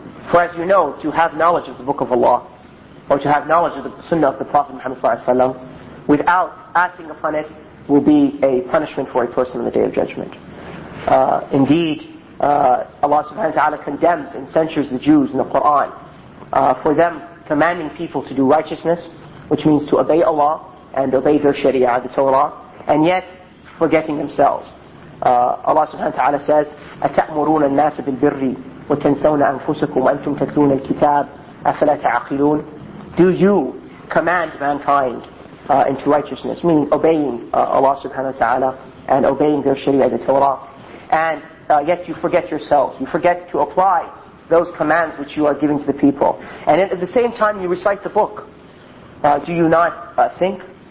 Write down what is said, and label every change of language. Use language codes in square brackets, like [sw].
[en] For as you know, to have knowledge of the Book of Allah, or to have knowledge of the Sunnah of the Prophet Muhammad Sallallahu Alaihi Wasallam, without acting upon it, will be a punishment for a person on the Day of Judgment. Indeed, Allah subhanahu wa ta'ala condemns and censures the Jews in the Quran for them commanding people to do righteousness, which means to obey Allah and obey their Sharia, the Torah, and yet forgetting themselves. Allah subhanahu wa ta'ala says, [ar] أَتَأْمُرُونَ النَّاسَ بِالْبِرِّ وَتَنْسَوْنَ أَنفُسَكُمْ وَأَنْتُمْ تَتْلُونَ الْكِتَابَ أَفَلَا تَعَقِلُونَ. [en] Do you command mankind into righteousness, meaning obeying Allah subhanahu wa ta'ala and obeying their Sharia, the Torah, and yet you forget yourselves. You forget to apply those commands which you are giving to the people. And at the same time, you recite the book. Do you not think?